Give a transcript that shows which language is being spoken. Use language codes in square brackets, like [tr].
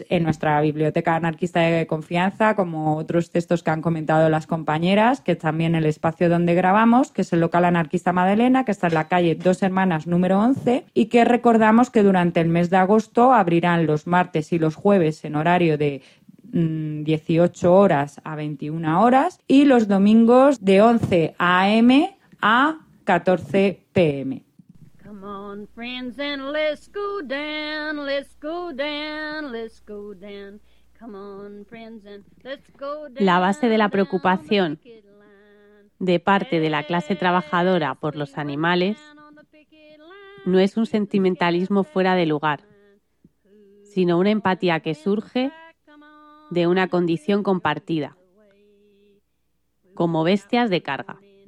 [es] en nuestra biblioteca anarquista de confianza, como otros textos que han comentado las compañeras, que también el espacio donde grabamos, que es el local anarquista Madalena, que está en la calle Dos Hermanas número 11 y que recordamos que durante el mes de agosto abrirán los martes y los jueves en horario de 18 horas a 21 horas y los domingos de 11 a.m. a 14 p.m. [en] Come on, friends, and let's go down, let's go down, let's go down. Come on, friends, and let's go down. [es] La base de la preocupación de parte de la clase trabajadora por los animales no es un sentimentalismo fuera de lugar, sino una empatía que surge de una condición compartida, como bestias de carga.